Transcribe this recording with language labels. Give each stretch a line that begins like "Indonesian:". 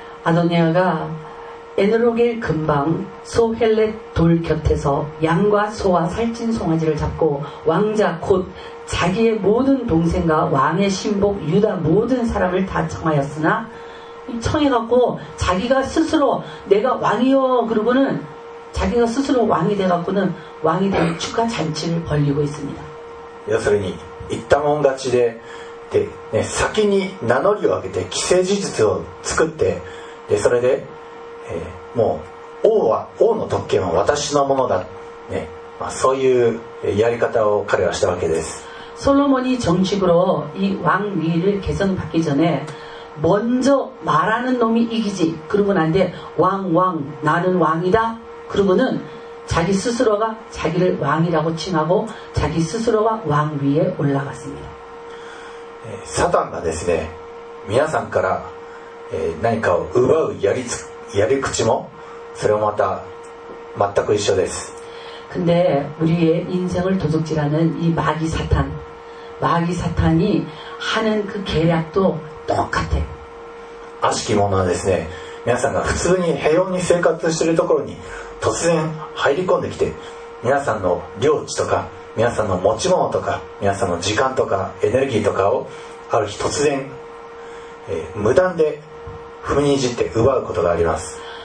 Korean: 아도니아가 에너로겔 근방 소헬렛 돌 곁에서 양과 소와 살찐 송아지를 잡고 왕자 곧 자기의 모든 동생과 왕의 신복 유다 모든 사람을 다 청하였으나 청해갖고 자기가 스스로 내가 왕이요 그러고는 자기가 스스로 왕이 돼갖고는 왕이 된 축하 잔치를 벌리고 있습니다. 여설이니 이따몬같이에
Japanese: 先に 名乗りを上げて既成事実を作って、それでもう王の特権は私のものだ、そういうやり方を彼はしたわけです。
Korean: 솔로몬이 정식으로 이 왕위를 계승받기 전에 먼저 말하는 놈이 이기지 그러고 난 뒤에 왕왕 나는 왕이다 그러고는 자기 스스로가 자기를 왕이라고 칭하고 자기 스스로가 왕위에 올라갔습니다.
Japanese: 사탄がですね皆さんから何かを奪うやり口もそれもまた全く一緒です。
Korean: 근데 우리의 인생을 도둑질하는 이 마귀 사탄이 하는 그 계략도 똑같아.
Japanese: 悪しきものはですね、皆さんが普通に平穏に生活しているところに突然入り込んできて、皆さんの領地とか皆さんの持ち物とか皆さんの時間とかエネルギーとかをある日突然、無断で踏みにじって奪うことがあります。